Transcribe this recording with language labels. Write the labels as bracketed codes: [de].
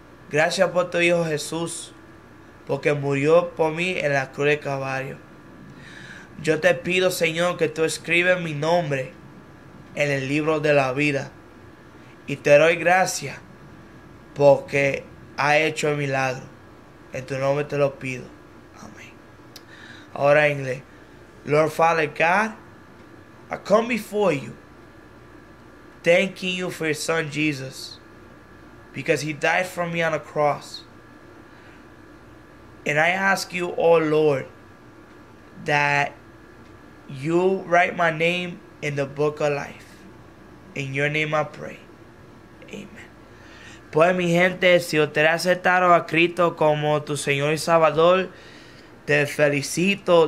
[es] Gracias por tu Hijo Jesús, porque murió por mí en la cruz de Calvario. Yo te pido, Señor, que tú escribas mi nombre en el libro de la vida. Y te doy gracias porque ha hecho el milagro. En tu nombre te lo pido. Ahora en inglés. [en] Lord Father God, I come before you, thanking you for your son Jesus, because he died for me on a cross. And I ask you, oh Lord, that you write my name in the book of life. In your name I pray. Amen. [es] Pues, mi gente, si ustedes aceptaron a Cristo como tu Señor y Salvador, te felicito.